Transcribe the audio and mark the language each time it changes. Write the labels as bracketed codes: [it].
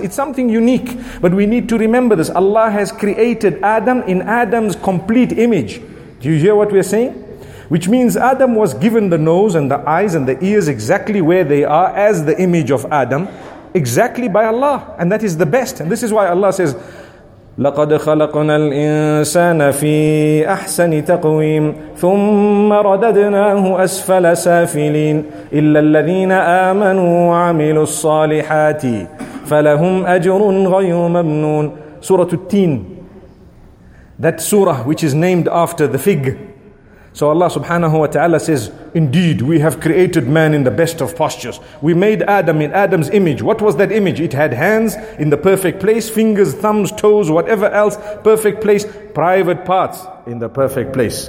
[en] It's something unique, but we need to remember this. Allah has created Adam in Adam's complete image. Do you hear what we're saying? Which means Adam was given the nose and the eyes and the ears exactly where they are as the image of Adam, exactly by Allah. And that is the best. And this is why Allah says, [ar] لقد خلقنا الإنسان في أحسن تقويم ثم رددناه أسفل سافلين إلا الذين آمنوا وعملوا الصالحات فلهم أجر غير ممنون. سورة التين. [en] That surah which is named after the fig. So Allah subhanahu wa ta'ala says, indeed, we have created man in the best of postures. We made Adam in Adam's image. What was that image? It had hands in the perfect place, fingers, thumbs, toes, whatever else, perfect place, private parts in the perfect place.